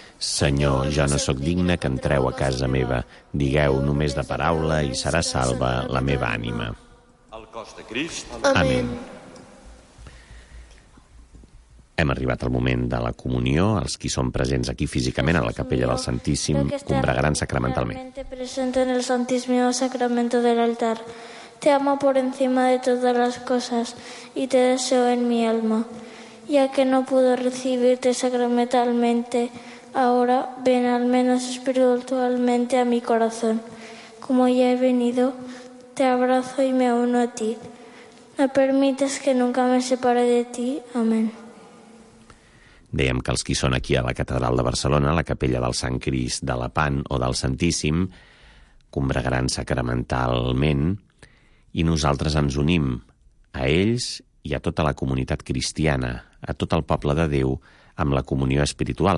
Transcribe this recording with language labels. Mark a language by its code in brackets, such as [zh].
[ca] Senyor, jo no sóc digne que entreu a casa meva. Digueu només de paraula i serà salva la meva ànima. El cos de Crist. Amén. Hem arribat al moment de la comunió. Els qui són presents aquí físicament a la capella del Santíssim combregaran sacramentalment. [es] Presente en el Santísimo Sacramento del altar. Te amo por encima de todas las cosas y te deseo en mi alma. Ya que no pudo recibirte sacramentalmente, ahora ven al menos espiritualmente a mi corazón. Como ya he venido, te abrazo y me uno a ti. No permitas que nunca me separe de ti. Amén. [ca] Dèiem que els qui són aquí a la Catedral de Barcelona, la Capella del Sant Crist de la Pan o del Santíssim, combregaran sacramentalment i nosaltres ens unim a ells i a tota la comunitat cristiana, a tot el poble de Déu, amb la comunió espiritual.